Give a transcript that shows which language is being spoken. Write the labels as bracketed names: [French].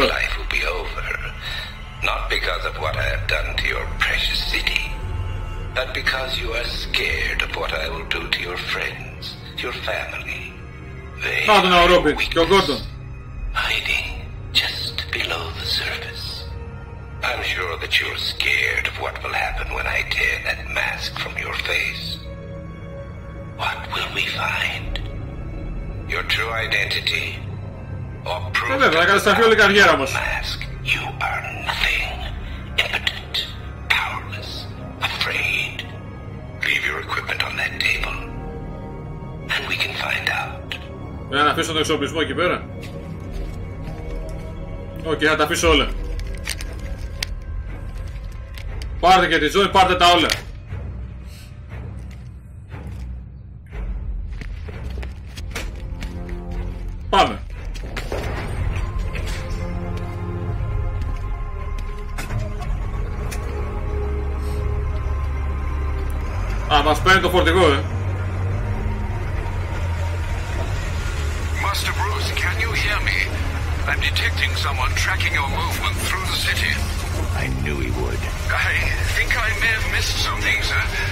[English] Life will be over, not because of what I have done to your precious city, but because you are scared of what I will do to your friends, your family. [Greek] Πάντων ο Ρόμπιν και ο Γκόρντον. [English] Hiding just below the surface. I'm sure that you're scared of what will happen when I tear that mask from your face. What will we find? Your true identity? Or proof that without the mask, you are nothing. Impotent. Powerless. Afraid. Leave your equipment on that table. And we can find out. Yeah, I'll leave the [Greek] εξοπλισμό εκεί πέρα. [English] Okay, I'll leave it all. [Greek] Πάρτε και τη ζωή, πάρτε τα όλα. Πάμε. Α, μας παίρνει το φορτηγό, ε. [English] Master Bruce, can you hear me? I'm detecting someone tracking your movement through the city. I knew he would. I think I may have missed something, sir.